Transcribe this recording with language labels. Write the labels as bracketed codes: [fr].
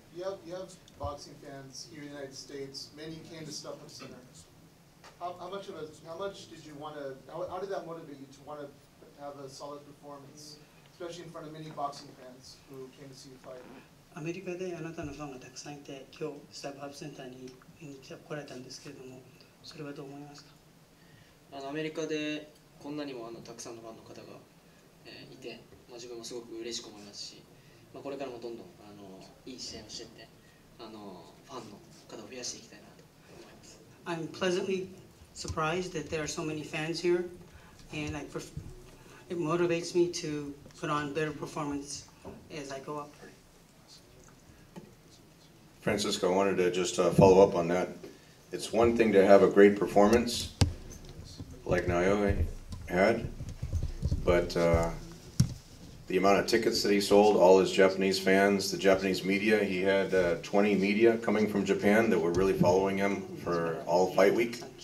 [en] You have boxing fans here in the United States, many came to Stuff Up Center. How did that motivate you to want to have a solid performance, especially in front of many boxing fans who came to see you fight? [ja] アメリカであなたのファンがたくさんいて、今日スタッフアップセンターに来られたんですけれども、それはどう思いますか？アメリカでこんなにもたくさんのファンの方が、いて、まあ、自分もすごく嬉しく思いますし、まあ、これからもどんどんいい試合をしていって、ファンの方を増やしていきたいなと思います。 [en] I'm pleasantly surprised that there are so many fans here, and it motivates me to put on better performance as I go up. Francisco, I wanted to just follow up on that. It's one thing to have a great performance like Naoya had, but the amount of tickets that he sold, all his Japanese fans, the Japanese media, he had 20 media coming from Japan that were really following him for all fight week.